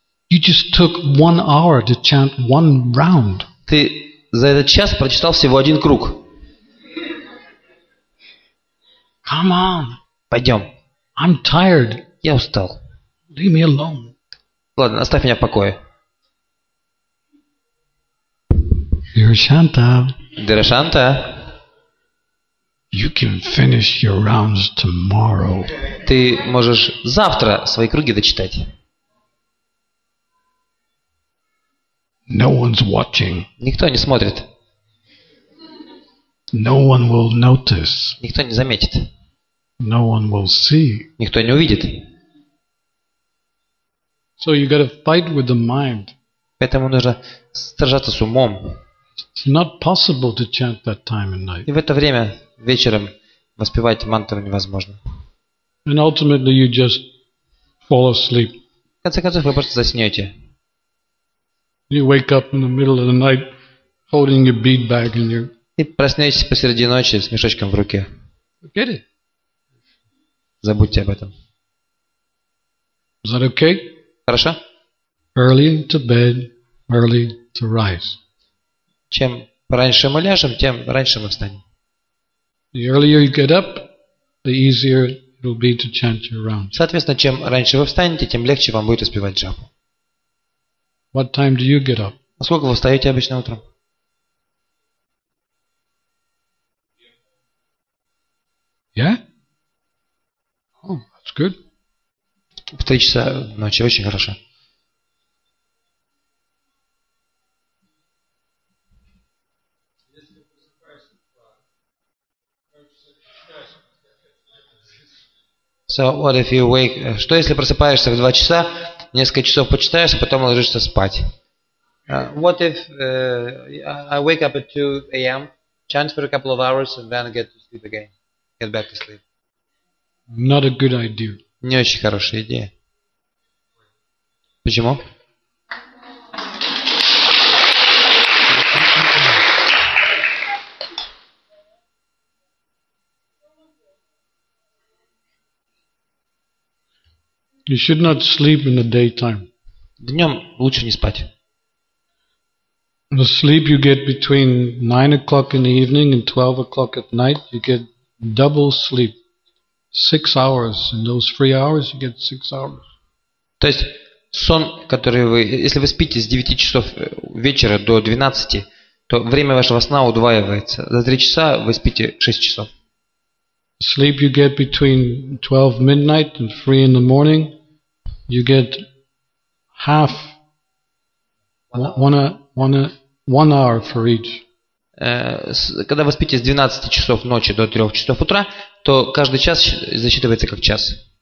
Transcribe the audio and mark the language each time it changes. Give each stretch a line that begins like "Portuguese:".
English: You just took 1 hour to chant 1 round.
Russian: Ты за этот час прочитал всего 1 круг.
English: Come on.
Russian: Пойдем.
English: I'm tired.
Russian: Я устал.
English: Leave me alone.
Russian: Ладно, оставь меня в покое. Дирашанта. Дирашанта.
English: You can finish your rounds tomorrow.
Russian: Ты можешь завтра свои круги дочитать.
English: No one's watching.
Russian: Никто не смотрит.
English: No one will notice.
Russian: Никто не заметит.
English: No one will see.
Russian: Никто не увидит.
English: So you gotta fight with the mind.
Russian: Поэтому нужно сражаться с умом.
English: It's not possible to chant that time and night.
Russian: И в это время вечером воспевать мантру невозможно.
English: And ultimately you just fall asleep.
Russian: В конце концов вы просто заснете.
English: You wake up in the middle of the night holding your bead bag in your...
Russian: И проснетесь посреди ночи с мешочком в руке.
English: Forget it.
Russian: Забудьте об этом.
English: Is that okay?
Russian: Хорошо?
English: Early to bed, early to rise.
Russian: Чем раньше мы ляжем, тем раньше мы встанем.
English: The earlier you get up, the easier it will be to chant your round.
Russian: Соответственно, чем раньше вы встанете, тем легче вам будет успевать джапу.
English: What time do you get up?
Russian: А сколько вы встаете обычно утром?
English: Yeah? Oh, that's good.
Russian: В 3 часа ночи, очень хорошо.
English: So, what if you wake?
Russian: Что если просыпаешься в 2 часа? Несколько часов почитаешь, а потом ложишься спать.
English: What if I wake up at 2 a.m. chant for a couple of hours and then get to sleep again, get back to sleep? Not a good idea.
Russian: Не очень хорошая идея. Почему?
English: You should not sleep in the daytime.
Russian: Днем лучше не спать.
English: The sleep you get between 9 o'clock in the evening and 12 o'clock at night, you get double sleep. 6 hours. In those 3 hours you get 6 hours.
Russian: То есть сон, который вы. Если вы спите с 9 часов вечера до 12, то время вашего сна удваивается. За 3 часа вы спите 6 часов.
English: Sleep you get between 12 midnight and 3 in the morning, you get half, one hour for each.
Russian: Когда вы спите с 12 часов ночи до 3 часов утра, то каждый час засчитывается как час.